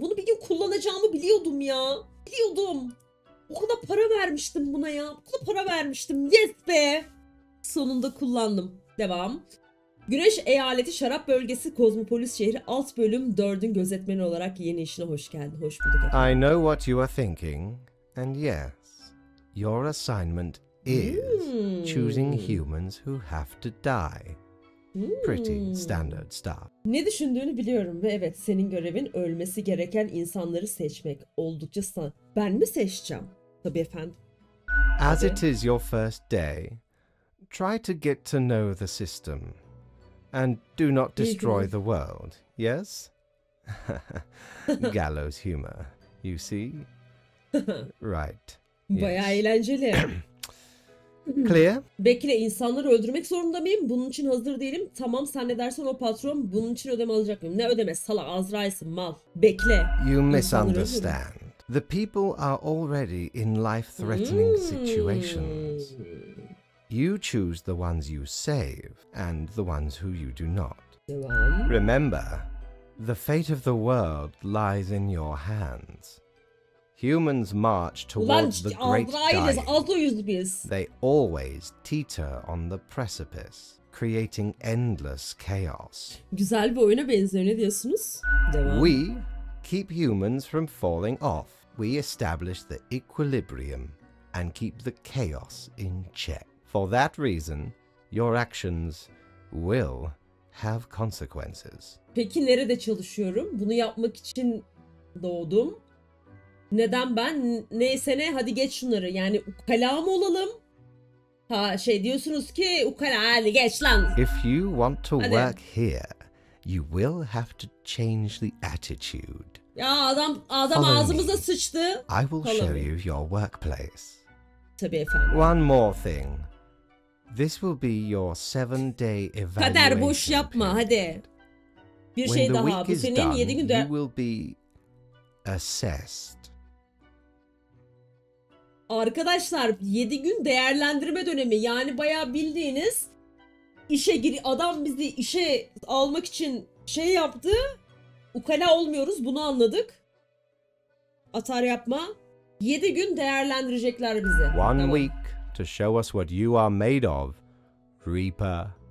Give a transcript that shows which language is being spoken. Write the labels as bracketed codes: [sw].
[tr] Bunu bir gün kullanacağımı biliyordum ya. Biliyordum. O kadar para vermiştim buna ya. O kadar para vermiştim. Yes be. Sonunda kullandım. Devam. Güneş Eyaleti Şarap Bölgesi Kozmopolis Şehri Alt Bölüm 4'ün gözetmeni olarak yeni işine hoş geldin. Hoş bulduk efendim. [en] I know what you are thinking and yes, your assignment is choosing humans who have to die. Pretty standard stuff. [tr] Ne düşündüğünü biliyorum ve evet, senin görevin ölmesi gereken insanları seçmek. Oldukça ben mi seçeceğim? Tabii efendim. [en] As it is your first day, try to get to know the system and do not destroy the world, yes? Gallows humor, you see? Right. [tr] Bayağı eğlenceli. [en] Clear? [tr] Bekle, insanları öldürmek zorunda mıyım? Bunun için hazır değilim. Tamam, sen ne dersen o patron, bunun için ödeme alacak mıyım? Ne ödeme, salak, Azrail'sin, mal. Bekle. [en] You misunderstand. The people are already in life-threatening situations. You choose the ones you save and the ones who you do not. Remember, the fate of the world lies in your hands. Humans march towards the great dying. They always teeter on the precipice, creating endless chaos. [tr] Güzel bir oyuna benziyor, ne diyorsunuz? Devam. [en] We keep humans from falling off. We establish the equilibrium and keep the chaos in check. For that reason, your actions will have consequences. [tr] Peki nerede çalışıyorum? Bunu yapmak için doğdum. Neden ben? Neyse ne, hadi geç şunları. Yani ukala mı olalım? Ha şey diyorsunuz ki ukala, hadi geç lan. [en] If you want to hadi work here, you will have to change the attitude. [tr] Ya adam ağzımıza sıçtı. [en] I will show you your workplace. [tr] Tabii efendim. [en] One more thing. This will be your 7-day evaluation. [tr] Kader boş yapma [en] period. [tr] Hadi. Bir [en] when [tr] şey daha. Bu senin 7 gün [en] you will be assessed. [tr] Arkadaşlar 7 gün değerlendirme dönemi. Yani bayağı bildiğiniz işe gir adam bizi işe almak için şey yaptı. Ukala olmuyoruz, bunu anladık. Atar yapma. 7 gün değerlendirecekler bizi. [en] One tamam. Week to show us what you are made of, Reaper.